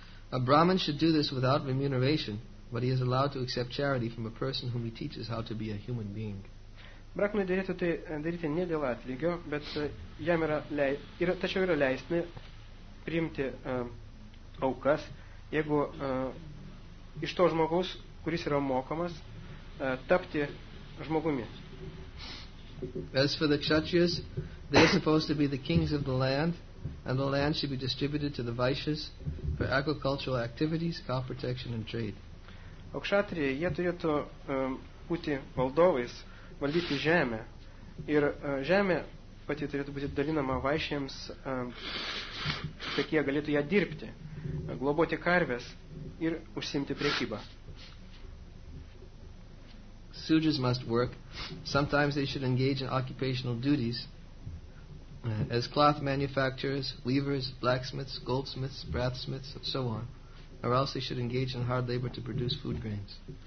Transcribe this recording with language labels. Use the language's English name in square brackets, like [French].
[English] A brahman should do this without remuneration, but he is allowed to accept charity from a person whom he teaches how to be a human being. [Lithuanian] Brahmanui derėtų tai daryti ne dėl atlygio, bet jam yra leistina priimti aukas, jeigu iš to žmogaus, kuris yra mokomas, tapti žmogumi. [English] As for the kshatriyas, they are supposed to be the kings of the land, and the land should be distributed to the vaishyas for agricultural activities, crop protection and trade. [Lithuanian] O kshatriyai, jie turėtų būti valdovais, valdyti žemę, ir žemė pati turėtų būti dalinama vaishyams, kad jie galėtų ją dirbti, globoti karves ir užsiimti prekybą. [English] Sudras must work. Sometimes they should engage in occupational duties as cloth manufacturers, weavers, blacksmiths, goldsmiths, brathsmiths, and so on. Or else they should engage in hard labor to produce food grains.